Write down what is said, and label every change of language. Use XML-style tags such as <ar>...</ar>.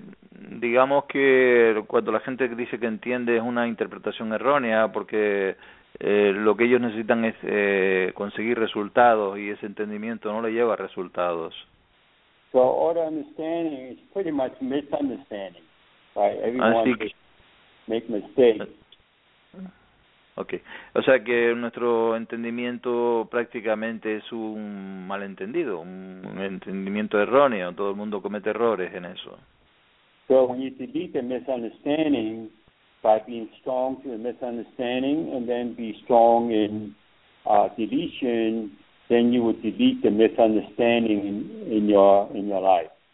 <es>Digamos que cuando la gente dice que entiende es una interpretación errónea, porque lo que ellos necesitan es conseguir resultados, y ese entendimiento no le lleva a resultados.</es> <en>So all the understanding is pretty much misunderstanding, right? Everyone makes mistakes. Okay.</en> <es>O sea que nuestro entendimiento prácticamente es un malentendido, un entendimiento erróneo. Todo el mundo comete errores en eso.</es> <en>So when you defeat the misunderstanding by being strong to the misunderstanding and then be strong in deletion, then you would defeat the misunderstanding in your life.</en>